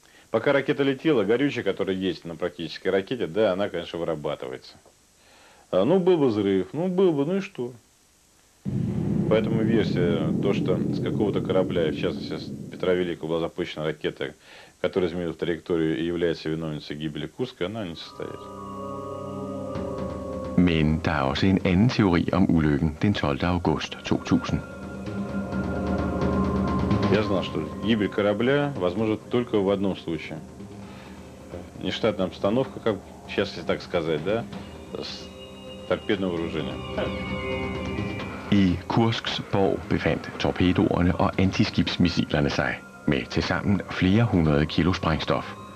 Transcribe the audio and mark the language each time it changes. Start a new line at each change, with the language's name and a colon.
Russian: Пока ракета летела, горючее, которое есть на практической ракете, да, она, конечно, вырабатывается. Ну, был бы взрыв, ну, был бы, ну и что? Поэтому версия, то, что с какого-то корабля, в частности, с Петра Великого, была запущена ракета, которая изменила траекторию и является виновницей гибели Курска, она не состоит.
Danish: Men der er også en anden teori om ulykken den 12. august 2000.
Russian: Я знал, что гибель корабля возможна только в одном случае. Нештатная обстановка, как сейчас, если так сказать, да, с торпедным вооружением.
Danish: I Kursks borg befandt torpedoerne og antiskibsmissilerne sig, med tilsammen flere hundrede kilo sprængstof.